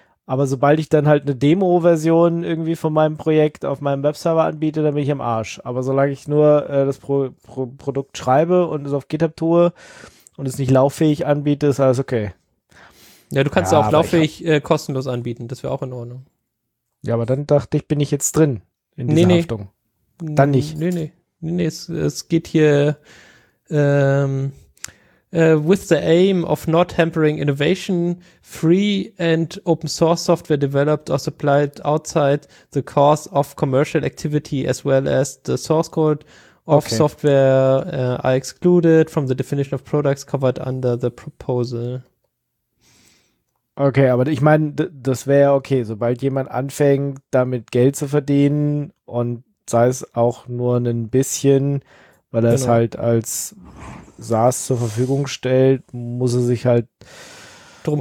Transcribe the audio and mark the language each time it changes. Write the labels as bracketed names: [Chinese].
[German] Aber sobald ich dann halt eine Demo-Version irgendwie von meinem Projekt auf meinem Webserver anbiete, dann bin ich am Arsch. Aber solange ich nur das Produkt schreibe und es auf GitHub tue und es nicht lauffähig anbiete, ist alles okay. Ja, du kannst es auch lauffähig kostenlos anbieten. Das wäre auch in Ordnung. Ja, aber dann dachte ich, bin ich jetzt drin in dieser Haftung. Dann nicht. Nee. Es geht hier [English] with the aim of not hampering innovation, free and open source software developed or supplied outside the course of commercial activity as well as the source code of software are excluded from the definition of products covered under the proposal. [German] Okay, aber ich meine, das wäre ja okay, sobald jemand anfängt, damit Geld zu verdienen und sei es auch nur ein bisschen, weil er es halt als SaaS zur Verfügung stellt, muss er sich halt drum